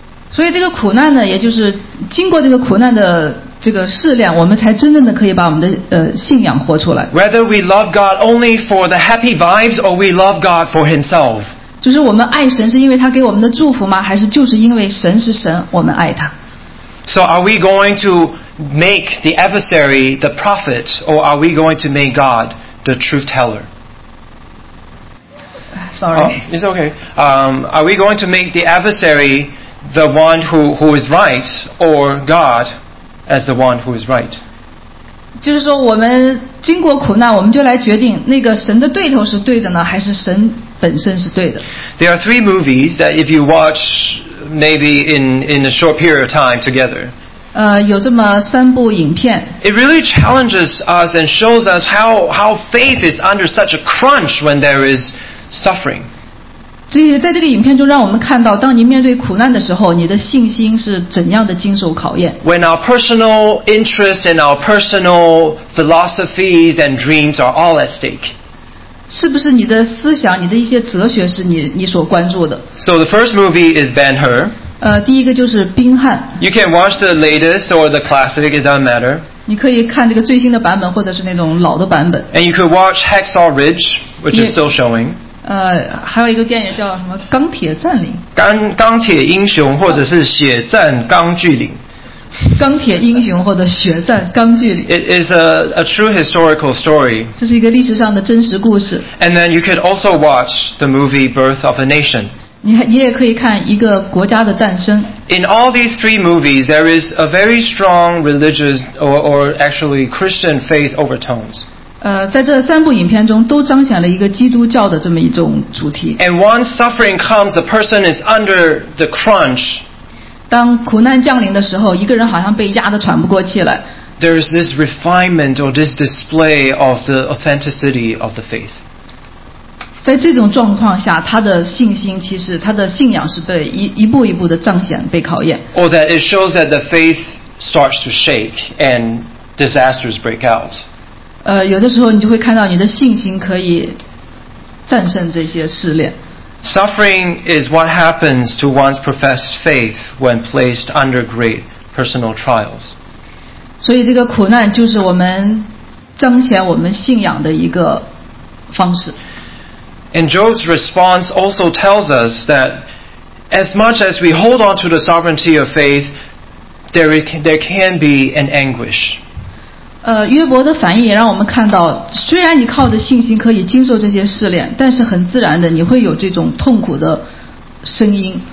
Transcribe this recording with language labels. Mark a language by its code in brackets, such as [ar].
[zh] 所以这个苦难呢，也就是经过这个苦难的这个试炼，我们才真正的可以把我们的信仰活出来。 [en] Whether we love God only for the happy vibes or we love God for Himself， [zh] 就是我们爱神是因为他给我们的祝福吗？还是就是因为神是神，我们爱他 [en] ？So are we going to make the adversary the prophet or are we going to make God the truth teller？ Sorry. Oh, it's okay. Are we going to make the adversary the one who is right or God？ As the one who is right. [zh] 就是说我们经过苦难我们就来决定那个神的对头是对的呢还是神本身是对的 [en] There are three movies that if you watch maybe in a short period of time together. [zh] 有这么三部影片 [en] It really challenges us and shows us how faith is under such a crunch when there is suffering. [zh] 所以在这个影片中让我们看到当你面对苦难的时候你的信心是怎样的经受考验 [en] When our personal interests and our personal philosophies and dreams are all at stake [zh] 是不是你的思想你的一些哲学是 你所关注的 [en] So the first movie is Ben-Hur [zh] 第一个就是宾汉 [en] You can watch the latest or the classic, it doesn't matter [zh] 你可以看这个最新的版本或者是那种老的版本 [en] And you could watch Hacksaw Ridge, which is still showing [zh] 还有一个电影叫什么《钢铁占领》 钢铁英雄或者是《血战钢锯岭》 钢铁英雄或者《血战钢锯岭》 [en] It is a true historical story [zh] 这是一个历史上的真实故事 [en] And then you could also watch the movie Birth of a Nation [zh] 你也可以看一个国家的诞生 [en] In all these three movies there is a very strong religious or actually Christian faith overtones [zh] 在这三部影片中都彰显了一个基督教的这么一种主题 [en] And once suffering comes, the person is under the crunch [zh] 当苦难降临的时候一个人好像被压得喘不过气来 [en] There is this refinement or this display of the authenticity of the faith [zh] 在这种状况下他的信心其实他的信仰是被 一步一步的彰显被考验 [en] Or that it shows that the faith starts to shake and disasters break out [zh] 有的时候你就会看到你的信心可以战胜这些试炼。 [en] Suffering is what happens to one's professed faith when placed under great personal trials. [zh] 所以这个苦难就是我们彰显我们信仰的一个方式。 [en] And Job's response also tells us that as much as we hold on to the sovereignty of faith, there can be an anguish. [zh] 约伯的反应也让我们看到虽然你靠着信心可以经受这些试炼但是很自然的你会有这种痛苦的声音